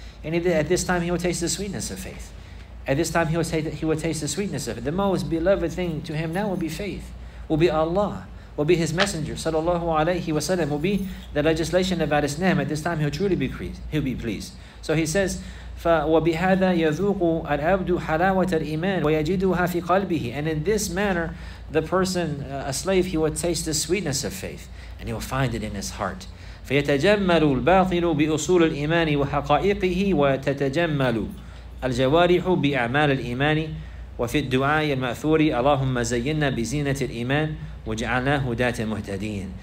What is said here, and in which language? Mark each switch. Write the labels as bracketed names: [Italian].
[English] And at this time, he will taste the sweetness of faith. At this time, he will taste the sweetness of it. The most beloved thing to him now will be faith, will be Allah, will be his messenger, sallallahu alayhi wa sallam, will be the legislation about Islam. At this time, he'll be pleased. So he says, [Arabic] فَوَبِهَذَا يَذُوقُ الْعَبْدُ حَلَاوَةَ الْإِيمَانِ وَيَجِدُهَا فِي قَلْبِهِ. [English] And in this manner, the person, a slave, he will taste the sweetness of faith, and he will find it in his heart. [Arabic] فَيَتَجَمَّلُ الْبَاطِنُ بِأُصُولِ الْإِيمَانِ وَحَقَائِقِهِ وَتَتَجَمَّلُ الْجَوَارِحُ بِأَعْمَالِ الْإِيمَانِ وَفِي الدُّعَاءِ الْمَأْثُورِ اللَّهُمَّ زَيِّنَّا بِزِينَةِ الْإِيمَانِ وَجَعَلْنَا هُدَاةَ الْمُهْتَدِينَ.